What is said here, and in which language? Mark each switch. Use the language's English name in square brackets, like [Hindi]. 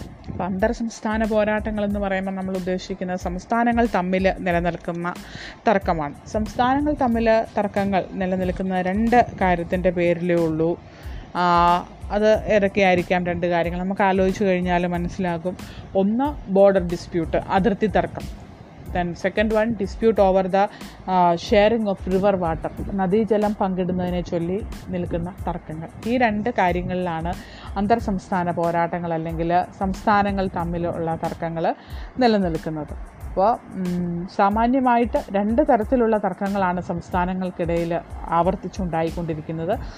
[Malayalam] അപ്പോൾ അന്തർ സംസ്ഥാന പോരാട്ടങ്ങൾ എന്ന് പറയുമ്പോൾ നമ്മൾ ഉദ്ദേശിക്കുന്നത് സംസ്ഥാനങ്ങൾ തമ്മിൽ നിലനിൽക്കുന്ന തർക്കമാണ്. സംസ്ഥാനങ്ങൾ തമ്മിൽ തർക്കങ്ങൾ നിലനിൽക്കുന്ന രണ്ട് കാര്യത്തിൻ്റെ പേരിലേ ഉള്ളൂ. അത് ഏതൊക്കെയായിരിക്കാം രണ്ട് കാര്യങ്ങൾ, നമുക്ക് ആലോചിച്ച് കഴിഞ്ഞാൽ മനസ്സിലാകും. ഒന്ന്, ബോർഡർ ഡിസ്പ്യൂട്ട്, അതിർത്തി തർക്കം. [English] And second one, dispute over the sharing of river water. [Malayalam] നദീജലം പങ്കിടുന്നതിനെ ചൊല്ലി നിൽക്കുന്ന തർക്കങ്ങൾ. ഈ രണ്ട് കാര്യങ്ങളിലാണ് അന്തർ സംസ്ഥാന പോരാട്ടങ്ങൾ അല്ലെങ്കിൽ സംസ്ഥാനങ്ങൾ തമ്മിലുള്ള തർക്കങ്ങൾ നിലനിൽക്കുന്നത്. അപ്പോൾ സാമാന്യമായിട്ട് രണ്ട് തരത്തിലുള്ള തർക്കങ്ങളാണ് സംസ്ഥാനങ്ങൾക്കിടയിൽ ആവർത്തിച്ചുണ്ടായിക്കൊണ്ടിരിക്കുന്നത്.